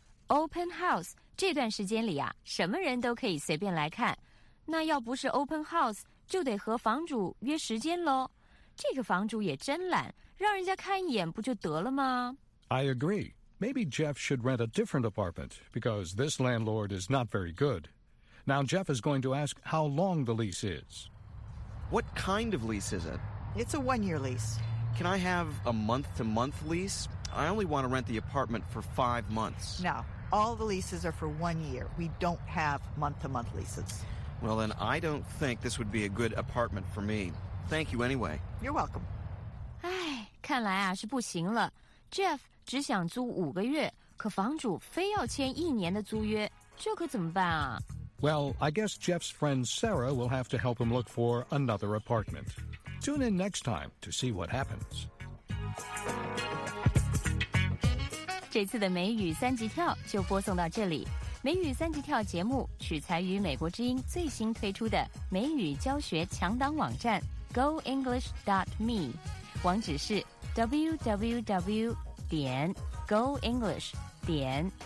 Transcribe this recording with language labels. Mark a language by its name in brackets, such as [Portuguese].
[Chinese] Open house, 这段时间里啊，什么人都可以随便来看。那要不是 open house, 就得和房主约时间咯。这个房主也真懒，让人家看一眼不就得了吗？ [English] I agree. Maybe Jeff should rent a different apartment because this landlord is not very good. Now Jeff is going to ask how long the lease is. What kind of lease is it? It's a one-year lease. Can I have a month-to-month lease? I only want to rent the apartment for 5 months. No, all the leases are for 1 year. We don't have month-to-month leases. Well, then I don't think this would be a good apartment for me. Thank you anyway. You're welcome. [Chinese] 哎，看来啊是不行了。 Jeff 只想租5个月，可房主非要签1年的租约，这可怎么办啊？ [English] Well, I guess Jeff's friend Sarah will have to help him look for another apartment. Tune in next time to see what happens. [Chinese] 这次的美语三级跳就播送到这里。美语三级跳节目取材于美国之音最新推出的美语教学强档网站 goenglish.me， 网址是 www.goenglish.me。